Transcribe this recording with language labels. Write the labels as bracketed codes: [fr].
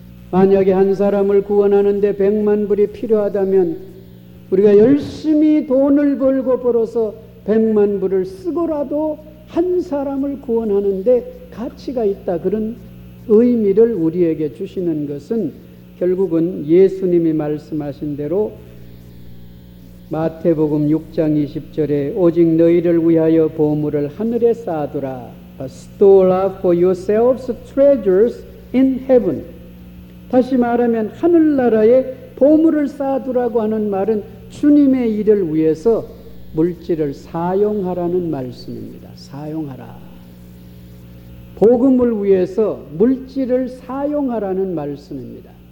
[ko] 만약에 한 사람을 구원하는데 백만 불이 필요하다면 우리가 열심히 돈을 벌고 벌어서 백만 불을 쓰고라도 한 사람을 구원하는데 가치가 있다 그런 의미를 우리에게 주시는 것은 결국은 예수님이 말씀하신 대로 마태복음 6장 20절에 오직 너희를 위하여 보물을 하늘에 쌓아두라. [en] Store up for yourselves treasures in heaven. [ko] 다시 말하면 하늘나라에 보물을 쌓아두라고 하는 말은 주님의 일을 위해서 물질을 사용하라는 말씀입니다. 사용하라. 복음을 위해서 물질을 사용하라는 말씀입니다.